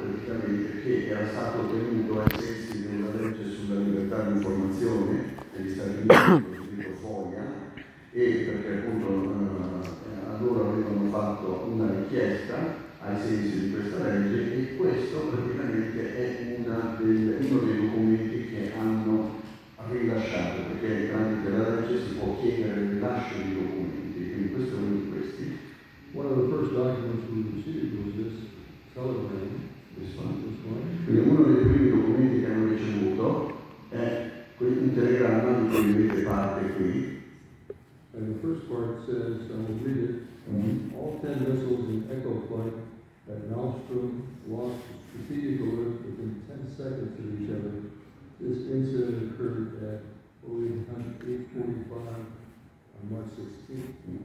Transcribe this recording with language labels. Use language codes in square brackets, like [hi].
[it] praticamente che era stato tenuto ai sensi della legge sulla libertà di informazione degli Stati Uniti, cosiddetto FOIA, e perché appunto allora avevano fatto una richiesta ai sensi di questa legge, e questo praticamente è uno dei documenti che hanno rilasciato, perché tramite la legge si può chiedere il rilascio di documenti, quindi questo è uno di questi. [en] One of the first documents we received was this telegram. [it] Quindi uno dei primi documenti che hanno ricevuto è un telegramma di cui avete parte qui. [en] And the first part says, and we'll read it, all 10 missiles in Echo flight at Nostrum lost strategic alert within 10 seconds of each other. This incident occurred at 845 on March 16th.